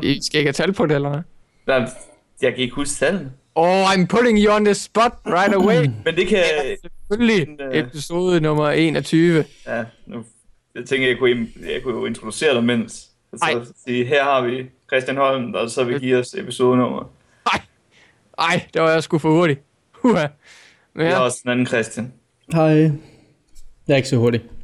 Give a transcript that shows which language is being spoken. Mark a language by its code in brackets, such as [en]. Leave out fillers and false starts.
[da] Vi skal ikke have tal på det, eller hvad? Jeg kan ikke huske tallene. [en] Oh, I'm putting you on the spot right away. [da] Men det kan... Det er selvfølgelig episode nummer 21. Ja, nu... Jeg tænker, jeg kunne jo introducere dig, mens... Sige, her har vi Christian Holm, der så vil give os episode nummer. Nej, det var jeg sgu for hurtigt. Uha. Vi har også en anden Christian. Hej. Jeg er ikke så hurtig.